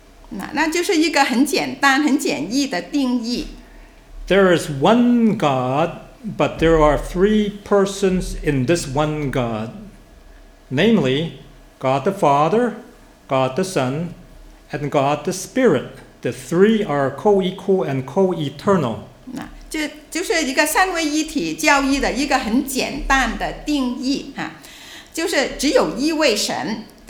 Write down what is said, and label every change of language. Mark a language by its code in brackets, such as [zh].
[zh] 那就是一个很简单、很简易的定义。 [en] There is one God, but there are three persons in this one God. Namely, God the Father, God the Son, and God the Spirit. The three are co-equal and co-eternal. [zh] 那就是一个三位一体教义的一个很简单的定义，就是只有一位神。